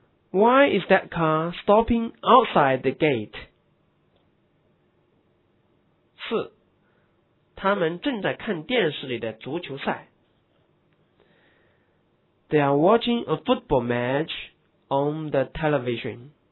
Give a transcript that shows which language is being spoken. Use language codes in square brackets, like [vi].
[en] Why is that car stopping outside the gate? [zh] 四，他们正在看电视里的足球赛。 [en] They are watching a football match on the television.